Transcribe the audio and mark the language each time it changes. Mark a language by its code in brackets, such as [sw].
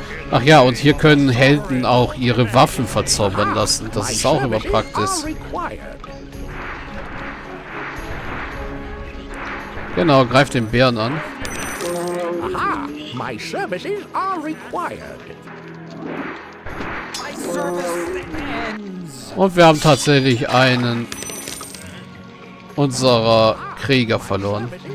[de] Ach ja, und hier können Helden auch ihre Waffen verzaubern lassen. Das ist auch immer praktisch. Genau, greif den Bären an. [en] Aha, my services are required. [de] Und wir haben tatsächlich einen unserer Krieger verloren.